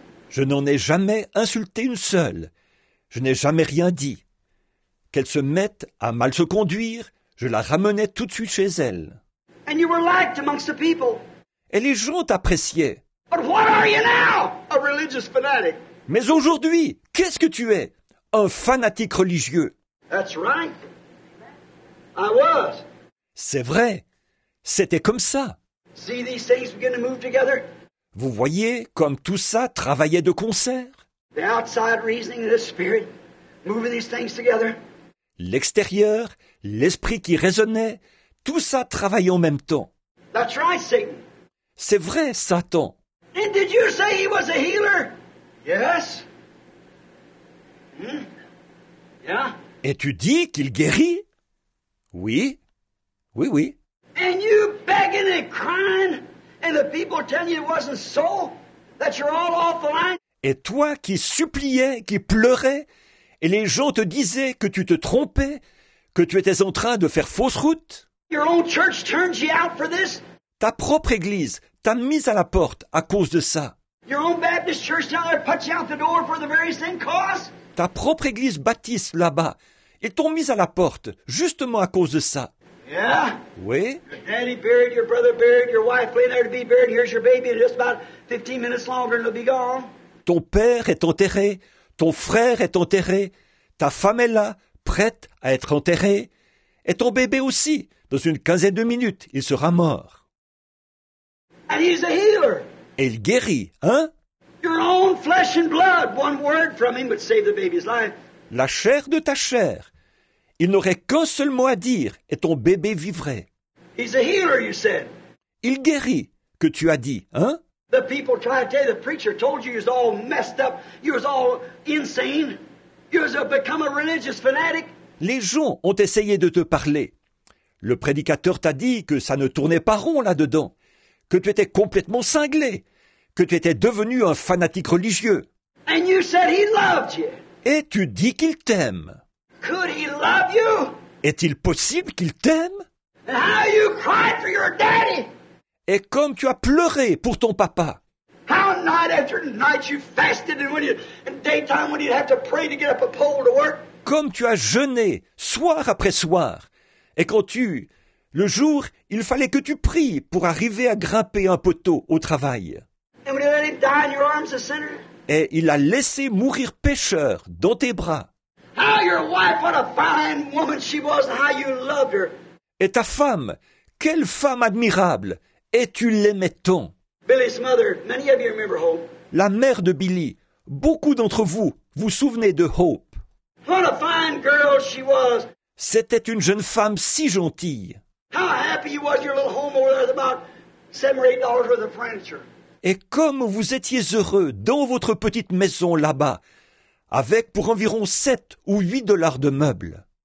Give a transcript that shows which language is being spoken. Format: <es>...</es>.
<fr>Je n'en ai jamais insulté une seule. Je n'ai jamais rien dit. Qu'elle se mette à mal se conduire, je la ramenais tout de suite chez elle.</fr> <en>And you were liked amongst the people.</en> <fr>Et les gens t'appréciaient.</fr> <en>But what are you now? A religious fanatic.</en> <fr>Mais aujourd'hui, qu'est-ce que tu es? Un fanatique religieux.</fr> <en>That's right. I was.</en> <fr>C'est vrai. C'était comme ça.</fr> <en>See these things begin to move together?</en> <fr>Vous voyez comme tout ça travaillait de concert?</fr> <en>The outside reasoning of the spirit moving these things together?</en> <fr>L'extérieur, l'esprit qui raisonnait, tout ça travaillait en même temps.</fr> <en>That's right, Satan.</en> <fr>C'est vrai, Satan.</fr> <en>And did you say he was a healer? Yes. Yeah.</en> <fr>Et tu dis qu'il guérit? Oui. Oui, oui.</fr> <en>And you begging and crying and the people telling you it wasn't so, that you're all off the line?</en> <fr>Et toi qui suppliais, qui pleurais, et les gens te disaient que tu te trompais, que tu étais en train de faire fausse route?</fr> <en>Your own church turns you out for this?</en> <fr>Ta propre église t'a mise à la porte à cause de ça.</fr> <en>Your own Baptist church now they put you out the door for the very same cause?</en> <fr>Ta propre église baptiste là-bas, ils t'ont mise à la porte justement à cause de ça.</fr> <en>Yeah.</en> <fr>Oui.</fr> <en>Your daddy buried, your brother buried, your wife laying there to be buried, here's your baby, just about 15 minutes longer and it'll be gone.</en> <fr>Ton père est enterré, ton frère est enterré, ta femme est là, prête à être enterrée, et ton bébé aussi, dans une quinzaine de minutes, il sera mort.</fr> <en>And he's a healer.</en> <fr>Et il guérit, hein?</fr> <en>Your own flesh and blood, one word from him would save the baby's life.</en> <fr>La chair de ta chair. Il n'aurait qu'un seul mot à dire et ton bébé vivrait.</fr> <en>He's a healer, you said.</en> <fr>Il guérit, que tu as dit, hein?</fr> <en>The people try to tell you, the preacher told you, you was all messed up, you was all insane, you was become a religious fanatic.</en> <fr>Les gens ont essayé de te parler. Le prédicateur t'a dit que ça ne tournait pas rond là-dedans, que tu étais complètement cinglé, que tu étais devenu un fanatique religieux.</fr> <en>And you said he loved you.</en> <fr>Et tu dis qu'il t'aime.</fr> <en>Could he love you?</en> <fr>Est-il possible qu'il t'aime?</fr> <en>And how you cried for your daddy?</en> <fr>Et comme tu as pleuré pour ton papa.</fr> <en>How night after night you fasted and when you in daytime when you'd have to pray to get up a pole to work?</en> <fr>Comme tu as jeûné soir après soir et quand tu le jour il fallait que tu pries pour arriver à grimper un poteau au travail.</fr> <en>And when you let him die in your arms, a sinner?</en> <fr>Et il a laissé mourir pécheur dans tes bras.</fr> <en>How your wife, what a fine woman she was, and how you loved her.</en> <fr>Et ta femme, quelle femme admirable, et tu l'aimais tant.</fr> <en>Billy's mother, many of you remember Hope.</en> <fr>La mère de Billy, beaucoup d'entre vous vous souvenez de Hope.</fr> <en>What a fine girl she was.</en> <fr>C'était une jeune femme si gentille.</fr> <en>How happy you was your little home over there with about $7 or $8 worth of furniture.</en> <fr>Et comme vous étiez heureux dans votre petite maison là-bas. Avec pour environ 7 ou 8 dollars de meubles.</fr>